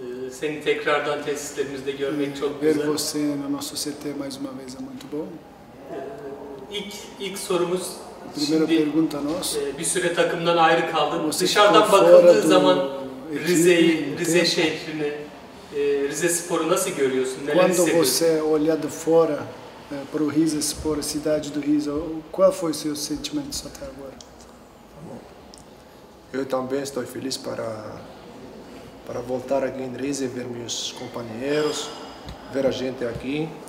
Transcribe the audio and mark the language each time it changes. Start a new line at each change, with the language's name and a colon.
Turkish: Seni tekrardan tesislerimizde görmek çok güzel.
Portuguese: Ver você no nosso CT mais uma vez é muito bom.
Turkish: İlk sorumuz.
Portuguese: Primeira pergunta nossa.
Turkish: Bir süre takımdan ayrı kaldın. Dışarıdan bakıldığı zaman Rize'yi, Rize şehrini, Rize Spor'u nasıl görüyorsun? Neler
Portuguese: Quando você olha de fora para o Rize Spor, a cidade do Rize, qual foi o seu sentimento até agora? Eu também estou feliz para voltar aqui em Rize, ver meus companheiros, ver a gente aqui.